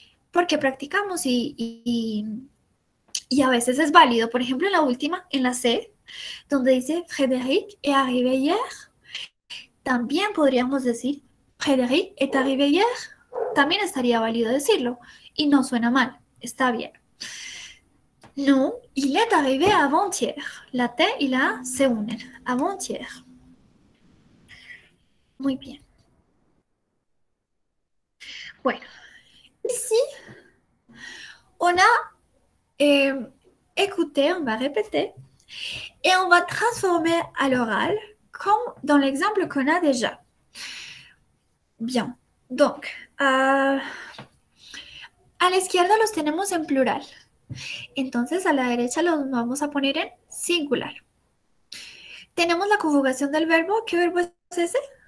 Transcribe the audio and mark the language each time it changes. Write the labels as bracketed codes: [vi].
[es] Porque practicamos y a veces es válido. Por ejemplo, en la última, en la C, donde dice Frédéric est arrivé hier, también podríamos decir Frédéric est arrivé hier. También estaría válido decirlo. Y no suena mal. Está bien. [fr] No, il est arrivé avant-hier. [es] La T y la A se unen. Avant-hier. Muy bien. Bueno. [fr] Ici, on a écouté, on va répéter. Et on va transformer à l'oral comme dans l'exemple qu'on a déjà. Bien. [es] Donc, a la izquierda los tenemos en plural. Entonces, a la derecha los vamos a poner en singular. Tenemos la conjugación del verbo. ¿Qué verbo es ese?